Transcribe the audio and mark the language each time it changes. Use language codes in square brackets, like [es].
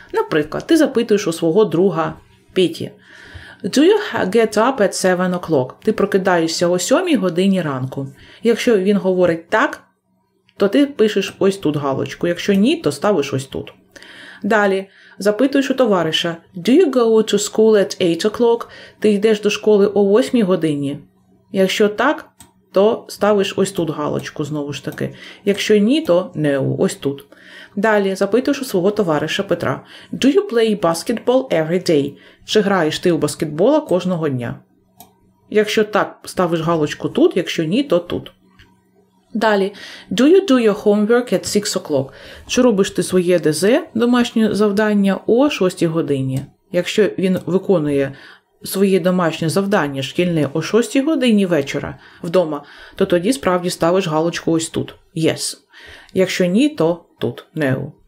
[uk] Наприклад, ти запитуєш у свого друга Піті. [en] Do you get up at 7 o'clock? [uk] Ти прокидаєшся о 7 годині ранку. Якщо він говорить так, то ти пишеш ось тут галочку. Якщо ні, то ставиш ось тут. Далі. Запитуєш у товариша, [en] do you go to school at 8 o'clock? [uk] Ти йдеш до школи о 8 годині? Якщо так, то ставиш ось тут галочку знову ж таки. Якщо ні, то не ось тут. Далі запитуєш у свого товариша Петра, [en] do you play basketball every day? [uk] Чи граєш ти у баскетбола кожного дня? Якщо так, ставиш галочку тут, якщо ні, то тут. Далі. [en] Do you do your homework at 6 o'clock? [uk] Чи робиш ти своє ДЗ, домашнє завдання, о 6 годині? Якщо він виконує своє домашнє завдання шкільне о 6 годині вечора вдома, то тоді справді ставиш галочку ось тут. Yes. Якщо ні, то тут. No.